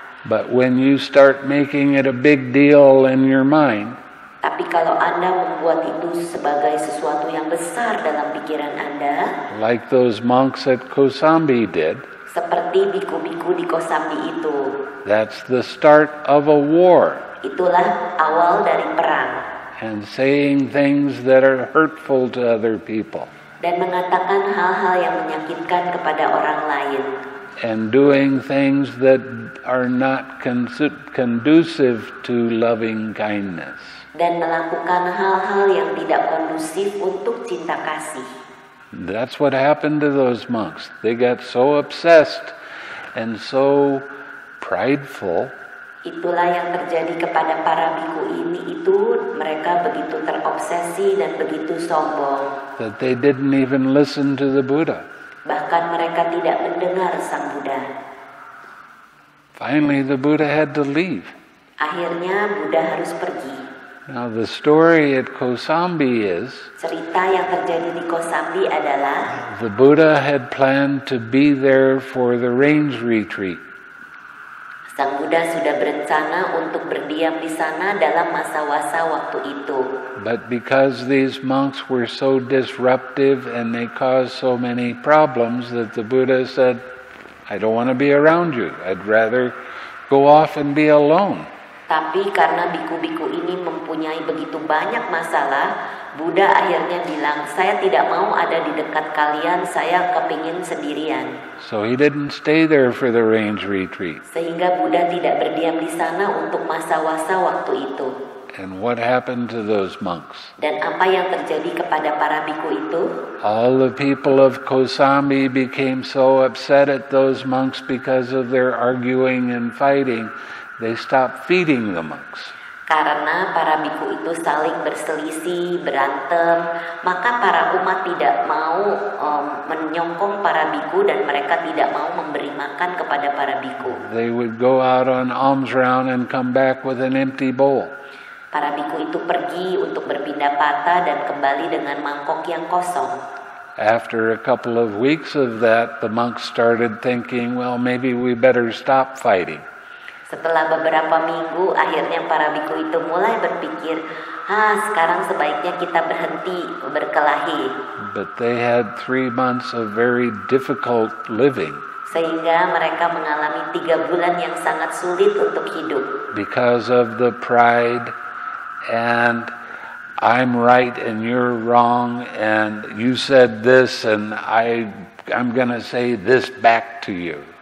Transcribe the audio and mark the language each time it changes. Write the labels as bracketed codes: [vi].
[en] But when you start making it a big deal in your mind, [id] tapi kalau Anda membuat itu sebagai sesuatu yang besar dalam pikiran Anda, [en] like those monks at Kosambi did, [id] seperti biku-biku di Kosambi itu, [en] that's the start of a war. [id] Itulah awal dari perang. [en] And saying things that are hurtful to other people. [id] Dan mengatakan hal-hal yang menyakitkan kepada orang lain. [en] And doing things that are not conducive to loving kindness. [id] Dan melakukan hal-hal yang tidak kondusif untuk cinta kasih. [en] That's what happened to those monks. They got so obsessed and so prideful. [id] Itulah yang terjadi kepada para biku ini itu, mereka begitu terobsesi dan begitu sombong. [en] That they didn't even listen to the Buddha. [id] Bahkan mereka tidak mendengar Sang Buddha. [en] Finally, the Buddha had to leave. [id] Akhirnya Buddha harus pergi. [en] Now the story at Kosambi is, [id] cerita yang terjadi di Kosambi adalah, [en] the Buddha had planned to be there for the rains retreat. [id] Sang Buddha sudah berencana untuk berdiam di sana dalam masa-masa waktu itu. [en] But because these monks were so disruptive and they caused so many problems that the Buddha said, I don't want to be around you. I'd rather go off and be alone. [id] Tapi karena biku-biku ini mempunyai begitu banyak masalah, Buddha akhirnya bilang, saya tidak mau ada di dekat kalian, saya kepingin sendirian. [en] So he didn't stay there for the rains retreat. [id] Sehingga Buddha tidak berdiam di sana untuk masa-masa waktu itu. [en] And what happened to those monks? [id] Dan apa yang terjadi kepada para biku itu? [en] All the people of Kosambi became so upset at those monks because of their arguing and fighting. They stopped feeding the monks. [id] Karena para biku itu saling berselisih, berantem, maka para umat tidak mau menyongkong para biku dan mereka tidak mau memberi makan kepada para biku. [en] They would go out on alms round and come back with an empty bowl. [id] Para biku itu pergi untuk berpindah pata dan kembali dengan mangkok yang kosong. [en] After a couple of weeks of that, the monks started thinking, well, maybe we better stop fighting. [id] Setelah beberapa minggu, akhirnya para biku itu mulai berpikir, "Hah, sekarang sebaiknya kita berhenti berkelahi." [en] But they had 3 months of very difficult living. [id] Sehingga mereka mengalami 3 bulan yang sangat sulit untuk hidup. [en] Because of the pride and I'm right and you're wrong and you said this and I'm going to say this back to you.